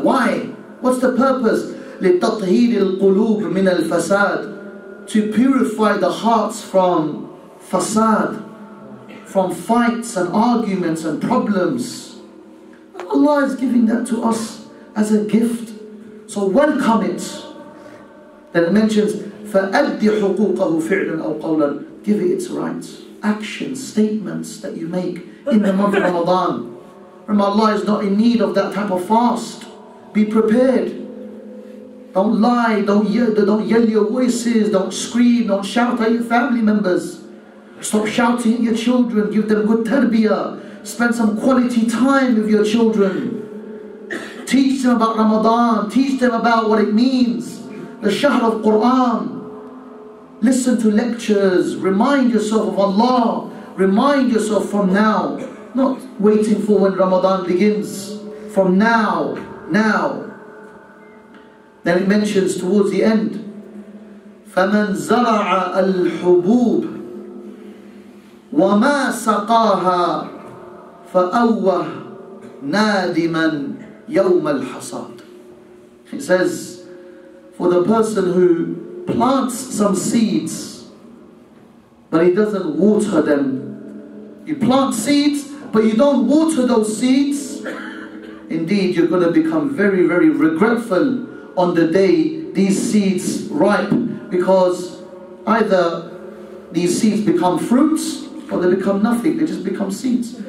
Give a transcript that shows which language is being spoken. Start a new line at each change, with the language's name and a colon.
English: Why? What's the purpose?
Arabic: لِتَطْهِيرِ الْقُلُوبِ مِنَ الْفَسَادِ.
English: To purify the hearts from fasad, from fights and arguments and problems. Allah is giving that to us as a gift. So welcome it. Then it mentions,
Arabic: فَأَدِّ حُقُوقَهُ فِعْلًا أَوْ قَوْلًا.
English: Give it its rights. Actions, statements that you make in the month of Ramadan. Remember, Allah is not in need of that type of fast. Be prepared. Don't lie, don't yell your voices, don't scream, don't shout at your family members. Stop shouting at your children, give them good tarbiyah. Spend some quality time with your children. Teach them about Ramadan, teach them about what it means. The Shahr of Qur'an. Listen to lectures, remind yourself of Allah. Remind yourself from now, not waiting for when Ramadan begins. From now, now. Then it mentions towards the end,
Arabic: فَمَنْ زَرَعَ الْحُبُوبِ وَمَا سَقَاهَا فَأَوَّهَ نَادِمًا يَوْمَ الْحَصَادِ.
English: It says, for the person who plants some seeds, but he doesn't water them. You plant seeds, but you don't water those seeds. Indeed, you're going to become very, very regretful on the day these seeds ripe, because either these seeds become fruits or they become nothing, they just become seeds.